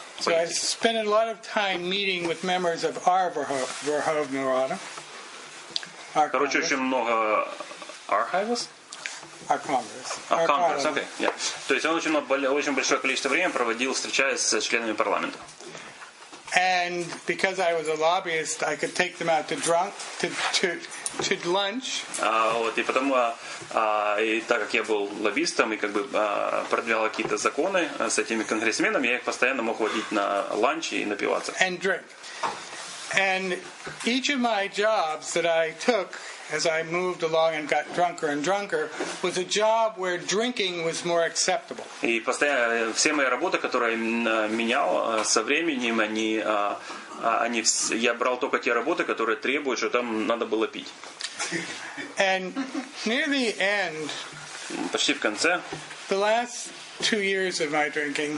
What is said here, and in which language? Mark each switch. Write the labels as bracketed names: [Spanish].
[English] So I spent a lot of time meeting with members of our Verkhovnaya [Russian] Рада. Короче, очень много Архивов. [English] Our Congress. Okay. Yeah. [Russian] То есть он очень большое количество времени проводил, встречаясь с членами парламента. [English] And because I was a lobbyist, I could take them out to lunch. [Russian] Так как я был лоббистом и как бы продвигал какие-то законы с этими конгрессменами, я их постоянно мог водить на ланч и напиваться. [English] And drink. And each of my jobs that I took as I moved along and got drunker and drunker was a job where drinking was more acceptable. [Russian] И постоянно все мои работы, которые я менял со временем, я брал только те работы, которые требуют, что там надо было пить. [English] And near the end, [Russian] почти в конце, [English] the last 2 years of my drinking,